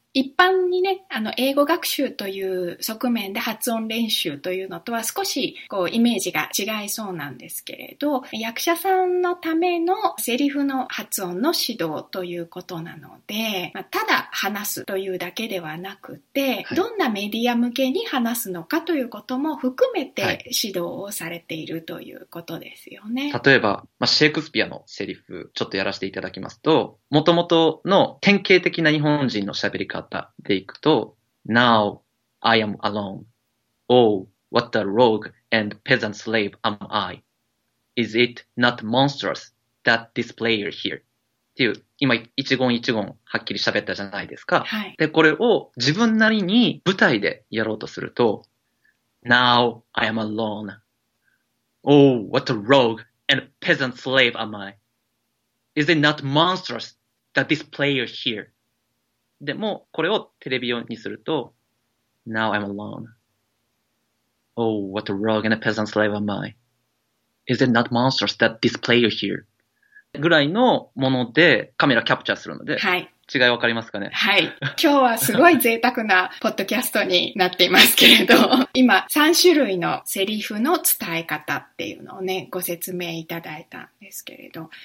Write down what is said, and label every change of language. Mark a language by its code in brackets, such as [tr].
[ja] 一般にね、英語学習という側面で発音練習というのとは少しこうイメージが違いそうなんですけれど、役者さんのためのセリフの発音の指導ということなので、まあ、ただ話すというだけではなくて、はい、どんなメディア向けに話すのかということも含めて指導をされているということですよね。はい、例えば、まあ、シェイクスピアのセリフちょっとやらせていただきますと、もともとの典型的な日本人の喋り方でいくと、 [en] Now I am alone. Oh, what a rogue and peasant slave am I. Is it not monstrous that this player here? [ja] っていう、今一言一言はっきり喋ったじゃないですか、はい、でこれを自分なりに舞台でやろうとすると、 [en] Now I am alone. Oh, what a rogue and peasant slave am I. Is it not monstrous that this player here? [ja] でも、これをテレビ用にすると、 [en] Now I'm alone. Oh, what a rogue and a peasant slave am I. Is it not monstrous that this player here? [ja] ぐらいのものでカメラキャプチャーするので、はい、違いわかりますかね？はい。今日はすごい贅沢なポッドキャストになっていますけれど、今3種類のセリフの伝え方っていうのをね、ご説明いただいたんですけれど、